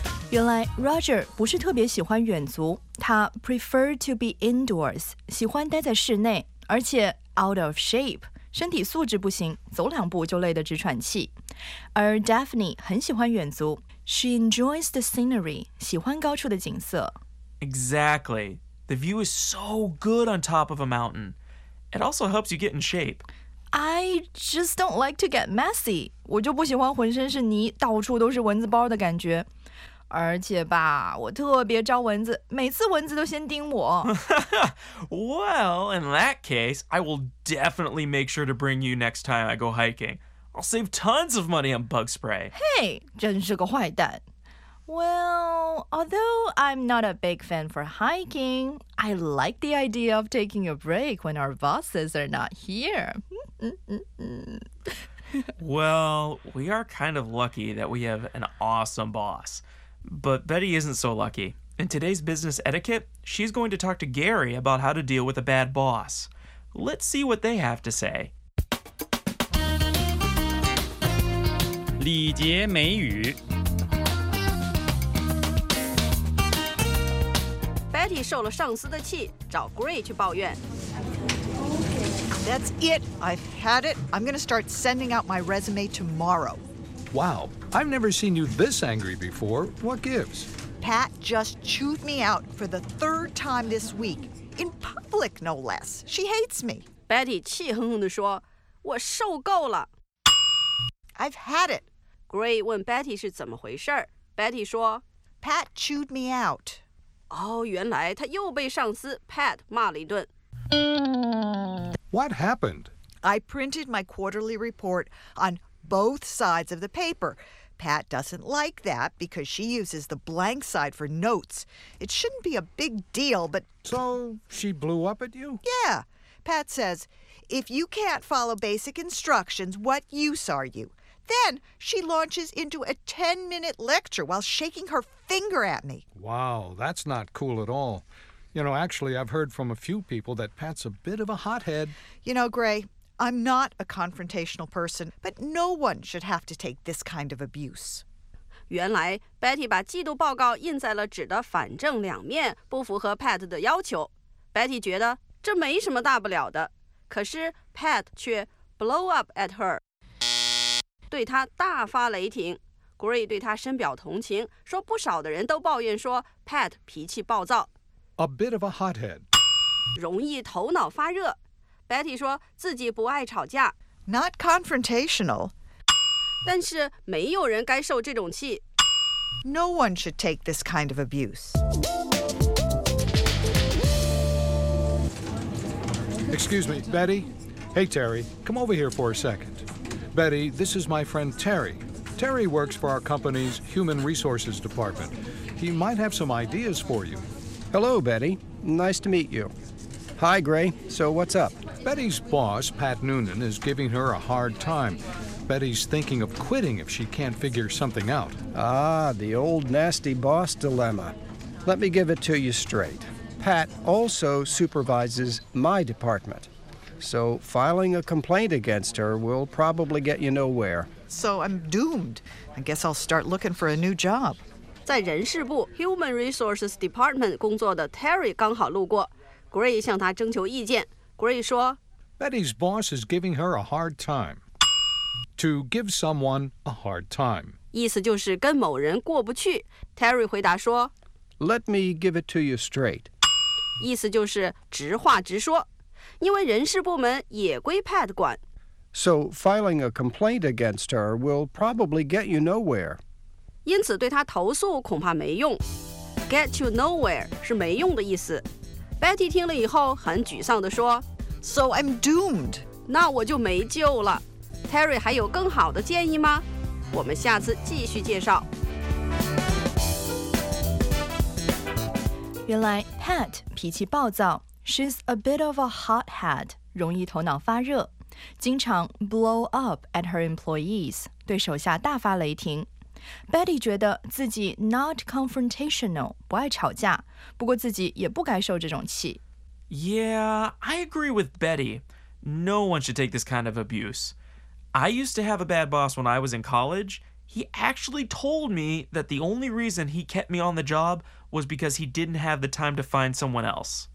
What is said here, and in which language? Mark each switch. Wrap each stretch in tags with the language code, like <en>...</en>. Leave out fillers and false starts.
<zh>原来 Roger 不是特别喜欢远足，他</zh> <en>prefer to be indoors，</en> <zh>喜欢待在室内，而且</zh> <en>out of shape，</en> <zh>身体素质不行，走两步就累得直喘气。而 Daphne 很喜欢远足 ，</zh> <en>she enjoys the scenery，</en> <zh>喜欢高处的景色。</zh> <en>Exactly, the view is so good on top of a mountain. It also helps you get in shape. I just don't like to get messy.</en> <zh>我就不喜欢浑身是泥，到处都是蚊子包的感觉。而且吧，我特别招蚊子，每次蚊子都先叮我。</zh> <en>Well, in that case, I will definitely make sure to bring you next time I go hiking. I'll save tons of money on bug spray. Hey,</en> <zh>真是个坏蛋。</zh> <en>Well, although I'm not a big fan for hiking, I like the idea of taking a break when our bosses are not here. Well, we are kind of lucky that we have an awesome boss. But Betty isn't so lucky. In today's business etiquette, she's going to talk to Gary about how to deal with a bad boss. Let's see what they have to say.</en> <zh>礼节美语。 Betty 受了上司的气，找 Gray 去抱怨。</zh> <en>That's it. I've had it. I'm going to start sending out my resume tomorrow. Wow, I've never seen you this angry before. What gives? Pat just chewed me out for the third time this week. In public, no less. She hates me.</en> <zh>Betty 气哼哼地说，我受够了。</zh> <en>I've had it.</en> <zh>Gray 问 Betty 是怎么回事。 Betty 说，</zh> <en>Pat chewed me out.</en> <zh>哦，原来他又被上司 Pat 骂了一顿。</zh> <en>What happened? I printed my quarterly report on both sides of the paper. Pat doesn't like that because she uses the blank side for notes. It shouldn't be a big deal, but... So she blew up at you? Yeah. Pat says, if you can't follow basic instructions, what use are you? Then she launches into a 10-minute lecture while shaking her finger at me. Wow, that's not cool at all. You know, actually, I've heard from a few people that Pat's a bit of a hothead. You know, Gray, I'm not a confrontational person, but no one should have to take this kind of abuse.</en> <zh>原来 Betty 把季度报告印在了纸的反正两面，不符合 Pat 的要求。 Betty 觉得这没什么大不了的，可是 Pat 却</zh> <en>blow up at her，</en> <zh>对她大发雷霆。 Gray 对她深表同情，说不少的人都抱怨说 Pat 脾气暴躁。</zh> <en>A bit of a hothead.</en> <zh>容易头脑发热。 Betty 说自己不爱吵架。</zh> <en>Not confrontational.</en> <zh>但是没有人该受这种气。</zh> <en>No one should take this kind of abuse. Excuse me, Betty. Hey, Terry, come over here for a second. Betty, this is my friend Terry. Terry works for our company's human resources department. He might have some ideas for you. Hello, Betty. Nice to meet you. Hi, Gray. So what's up? Betty's boss, Pat Noonan, is giving her a hard time. Betty's thinking of quitting if she can't figure something out. Ah, the old nasty boss dilemma. Let me give it to you straight. Pat also supervises my department. So filing a complaint against her will probably get you nowhere. So I'm doomed. I guess I'll start looking for a new job.</en> <zh>在人事部 Human Resources Department 工作的 Terry 刚好路过， Gray 向他征求意见。 Gray 说，</zh> <en>Betty's boss is giving her a hard time. To give someone a hard time.</en> <zh>意思就是跟某人过不去。 Terry 回答说，</zh> <en>Let me give it to you straight.</en> <zh>意思就是直话直说，因为人事部门也归 Pat 管。</zh> <en>So filing a complaint against her will probably get you nowhere.</en> <zh>因此对他投诉恐怕没用。</zh> <en>Get you nowhere</en> <zh>是没用的意思。 Betty 听了以后很沮丧地说，</zh> <en>So I'm doomed.</en> <zh>那我就没救了。 Terry 还有更好的建议吗？我们下次继续介绍。原来 Pat 脾气暴躁，</zh> <en>She's a bit of a hothead，</en> <zh>容易头脑发热，经常</zh> <en>blow up at her employees，</en> <zh>对手下大发雷霆。 Betty 觉得自己</zh> <en>not confrontational,</en> <zh>不爱吵架，不过自己也不该受这种气。</zh> <en>Yeah, I agree with Betty. No one should take this kind of abuse. I used to have a bad boss when I was in college. He actually told me that the only reason he kept me on the job was because he didn't have the time to find someone else.</en>